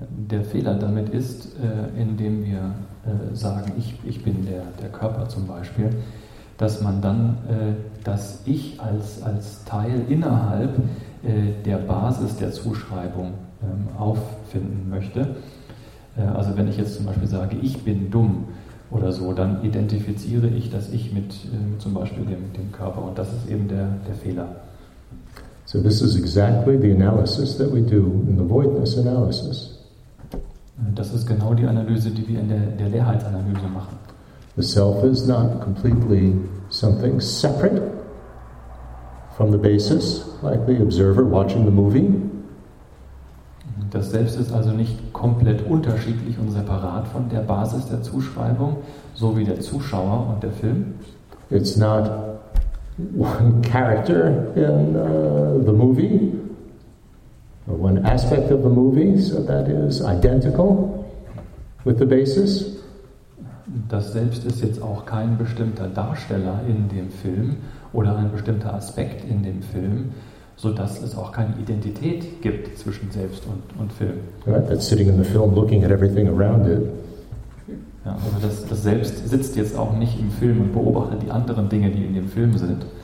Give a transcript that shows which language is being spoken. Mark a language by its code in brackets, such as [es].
[de] Der Fehler damit ist, indem wir sagen, ich bin der Körper zum Beispiel, dass man dann das Ich als Teil innerhalb der Basis der Zuschreibung auffinden möchte. Also wenn ich jetzt zum Beispiel sage, ich bin dumm oder so, dann identifiziere ich das Ich mit zum Beispiel dem Körper, und das ist eben der Fehler. [en] So this is exactly the analysis that we do in the voidness analysis. [de] Das ist genau die Analyse, die wir in der Leerheitsanalyse machen. [en] The self is not completely something separate from the basis, like the observer watching the movie. [de] Das Selbst ist also nicht komplett unterschiedlich und separat von der Basis der Zuschreibung, so wie der Zuschauer und der Film. [en] It's not one character in the movie. One aspect of the movie, so that is identical with the basis. [de] Das Selbst ist jetzt auch kein bestimmter Darsteller in dem Film oder ein bestimmter Aspekt in dem Film, so dass es auch keine Identität gibt zwischen Selbst und Film. [en] Right, that's sitting in the film looking at everything around it. [de] Ja, also das Selbst sitzt jetzt auch nicht im Film und beobachtet die anderen Dinge, die in dem Film sind.